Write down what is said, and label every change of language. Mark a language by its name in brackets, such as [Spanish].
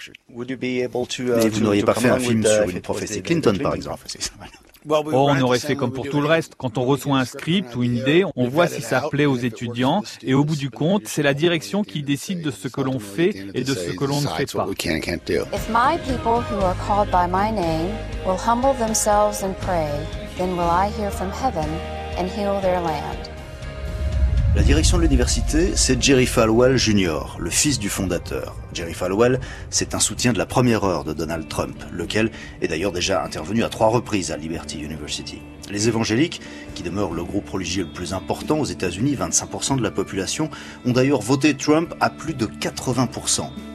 [French] Mais vous n'auriez pas fait un film sur une prophétie Clinton, par exemple? Oh, on aurait fait comme pour tout le reste. Quand on reçoit un script ou une idée, on voit si ça plaît aux étudiants. Et au bout du compte, c'est la direction qui décide de ce que l'on fait et de ce que l'on ne fait pas. [English] If my people who are called by my name will humble themselves and pray, then will I hear from heaven and heal their land. [French] La direction de l'université, c'est Jerry Falwell Jr., le fils du fondateur. Jerry Falwell, c'est un soutien de la première heure de Donald Trump, lequel est d'ailleurs déjà intervenu à 3 reprises à Liberty University. Les évangéliques, qui demeurent le groupe religieux le plus important aux États-Unis, 25% de la population, ont d'ailleurs voté Trump à plus de 80%.